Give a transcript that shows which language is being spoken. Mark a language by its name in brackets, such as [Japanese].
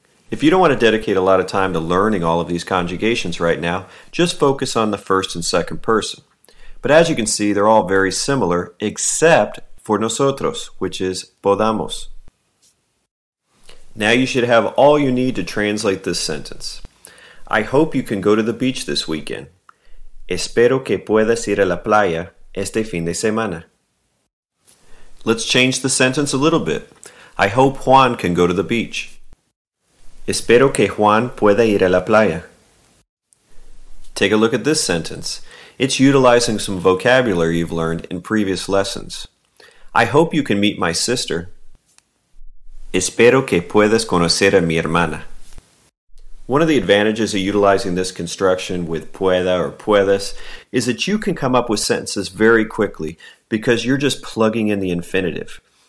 [English] If you don't want to dedicate a lot of time to learning all of these conjugations right now, just focus on the first and second person. But as you can see, they're all very similar, except for nosotros, which is podamos. Now you should have all you need to translate this sentence. I hope you can go to the beach this weekend. [Spanish] Espero que puedas ir a la playa este fin de semana. [English] Let's change the sentence a little bit. I hope Juan can go to the beach. [Spanish] Espero que Juan pueda ir a la playa. [English] Take a look at this sentence. It's utilizing some vocabulary you've learned in previous lessons. I hope you can meet my sister. [Spanish] Espero que puedas conocer a mi hermana. [English] One of the advantages of utilizing this construction with pueda or puedes is that you can come up with sentences very quickly because you're just plugging in the infinitive.